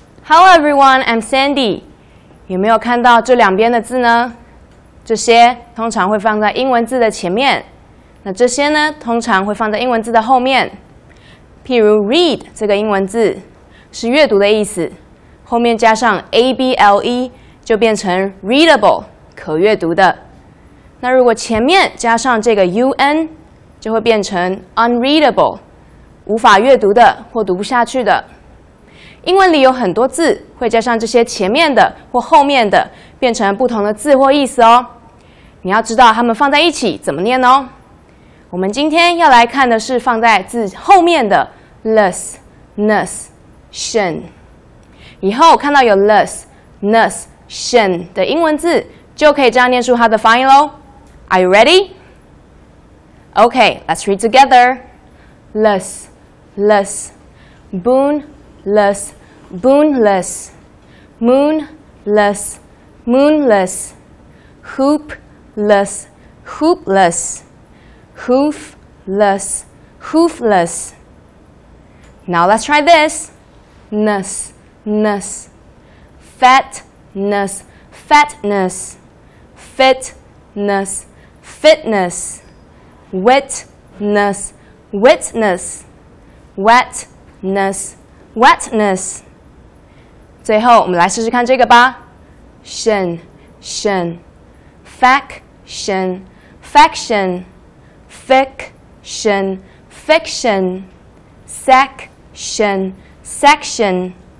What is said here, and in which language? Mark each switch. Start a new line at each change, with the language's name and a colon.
English: Hello everyone, I'm Sandy.
Chinese: 有没有看到这两边的字呢？这些通常会放在英文字的前面，那这些呢，通常会放在英文字的后面。譬如 read 这个英文字是阅读的意思，后面加上 able 就变成 readable， 可阅读的。那如果前面加上这个 un， 就会变成 unreadable， 无法阅读的或读不下去的。英文里有很多字会加上这些前面的或后面的，变成不同的字或意思哦。你要知道它们放在一起怎么念哦。我们今天要来看的是放在字后面的 less、ness、shen。以后看到有 less、ness、shen 的英文字，就可以这样念出它的发音喽。
English: Are you ready? Okay, let's read together. Less, less, boon. Less, boonless, moonless, moonless, hoopless, hoopless, hoofless, hoofless. Now let's try this. Ness, ness, fatness, fatness, fitness, fitness, witness, witness, wetness. Wetness.
Chinese: 最后我们来试试看这个吧。
English: Shen, shen. Faction, faction. Fiction, fiction. Section, section.